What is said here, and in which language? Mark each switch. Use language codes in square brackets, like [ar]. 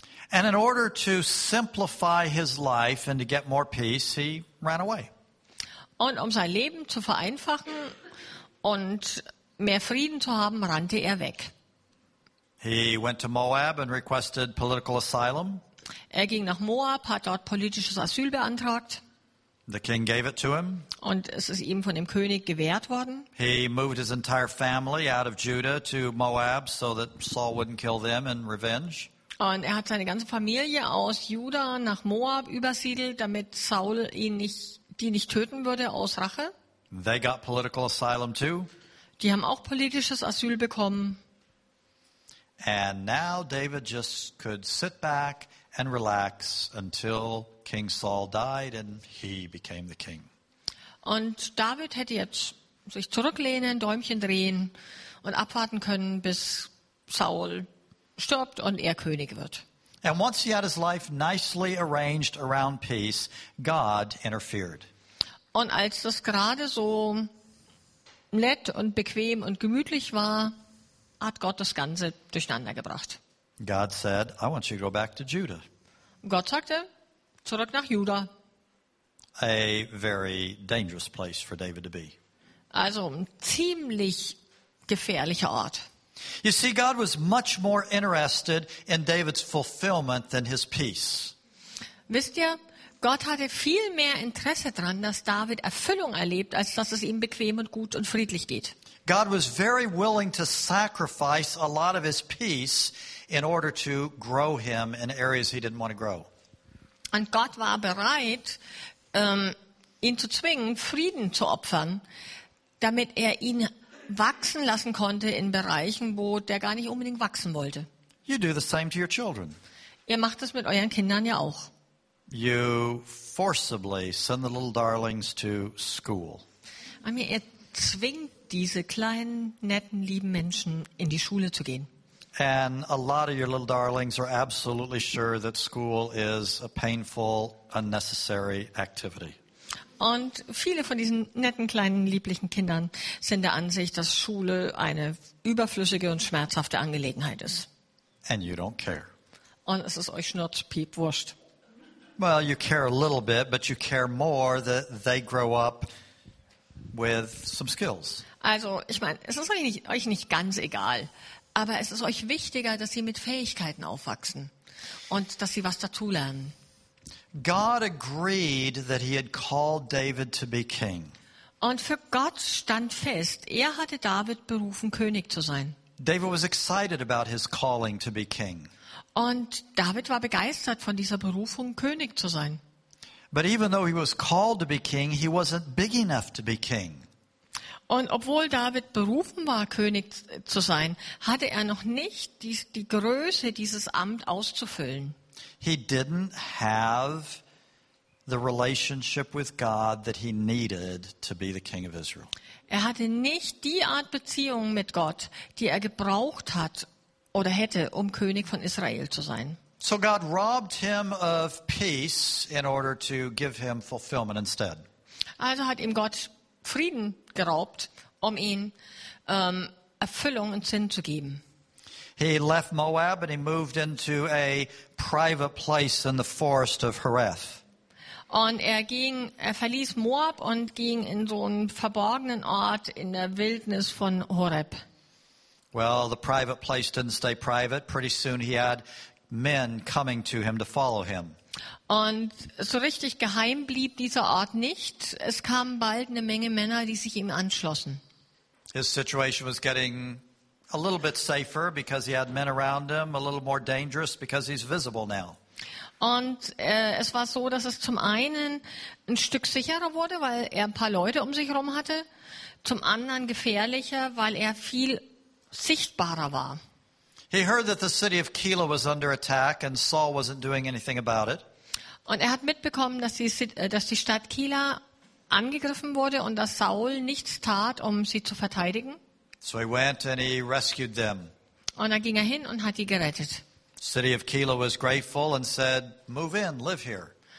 [en] And in order to simplify his life and to get more peace, he ran away. [de] Und um sein Leben zu vereinfachen und mehr Frieden zu haben, rannte er weg. [en] He went to Moab and requested political asylum. [de] Er ging nach Moab, hat dort politisches Asyl beantragt. [en] The king gave it to him. [de] Und es ist ihm von dem König gewährt worden. [en] He moved his entire family out of Judah to Moab so that Saul wouldn't kill them in revenge. [de] Und er hat seine ganze Familie aus Juda nach Moab übersiedelt, damit Saul die nicht töten würde aus Rache. [en] They got political asylum too. [de] Die haben auch politisches Asyl bekommen. [en] And now David just could sit back and relax until King Saul died and he became the king. [de] Und David hätte jetzt sich zurücklehnen, Däumchen drehen und abwarten können, bis Saul stirbt und er König wird. [en] And once he had his life nicely arranged around peace, God interfered. [de] Und als das gerade so nett und bequem und gemütlich war, hat Gott das Ganze durcheinander gebracht. [en] God said, I want you to go back to Judah. [de] Gott sagte, zurück nach Juda. [en] A very dangerous place for David to be. [de] Also ein ziemlich gefährlicher Ort. [en] You see, God was much more interested in David's fulfillment than his peace. [de] Wisst ihr, Gott hatte viel mehr Interesse daran, dass David Erfüllung erlebt, als dass es ihm bequem und gut und friedlich geht. [en] God was very willing to sacrifice a lot of his peace in order to grow him in areas he didn't want to grow. [de] Und Gott war bereit, ihn zu zwingen, Frieden zu opfern, damit er ihn wachsen lassen konnte in Bereichen, wo der gar nicht unbedingt wachsen wollte. [en] You do the same to your children. [de] Ihr macht es mit euren Kindern ja auch. [en] You forcibly send the little darlings to school. I mean, [de] ihr zwingt diese kleinen, netten, lieben Menschen in die Schule zu gehen. [en] And a lot of your little darlings are absolutely sure that school is a painful, unnecessary activity. [de] Und viele von diesen netten, kleinen, lieblichen Kindern sind der Ansicht, dass Schule eine überflüssige und schmerzhafte Angelegenheit ist. [en] And you don't care. [de] Und es ist euch schnurzpiepwurscht. [en] Well, you care a little bit, but you care more that they grow up with some skills. [de] Also, ich meine, es ist euch nicht ganz egal, aber es ist euch wichtiger, dass sie mit Fähigkeiten aufwachsen und dass sie was dazulernen. [en] God agreed that he had called David to be king. [de] Und für Gott stand fest, er hatte David berufen, König zu sein. [en] David was excited about his calling to be king. [de] Und David war begeistert von dieser Berufung, König zu sein. [en] But even though he was called to be king, he wasn't big enough to be king. [de] Und obwohl David berufen war, König zu sein, hatte er noch nicht die Größe, dieses Amt auszufüllen. [en] He didn't have the relationship with God that he needed to be the king of Israel. [de] Er hatte nicht die Art Beziehung mit Gott, die er gebraucht hat oder hätte, um König von Israel zu sein. [en] So God robbed him of peace in order to give him fulfillment instead. [de] Also hat ihm Gott Frieden geraubt, um ihm Erfüllung und Sinn zu geben. [en] He left Moab and he moved into a private place in the forest of Hereth. [de] Und er verließ Moab und ging in so einen verborgenen Ort in der Wildnis von Horeb. [en] Well, the private place didn't stay private. Pretty soon he had men coming to him to follow him. [de] Und so richtig geheim blieb dieser Ort nicht. Es kamen bald eine Menge Männer, die sich ihm anschlossen. [en] His situation was getting a little bit safer because he had men around him, a little more dangerous because he's visible now. [de] Und es war so, dass es zum einen ein Stück sicherer wurde, weil er ein paar Leute um sich herum hatte, zum anderen gefährlicher, weil er viel sichtbarer war. [en] He heard that the city of Keilah was under attack and Saul wasn't doing anything about it. [de] Und er hat mitbekommen, dass die Stadt Keilah angegriffen wurde und dass Saul nichts tat, um sie zu verteidigen. [en] So he went and he rescued them. [de] Und dann ging er hin und hat sie gerettet. [en] City of Keilah was grateful and said, "Move in, live here."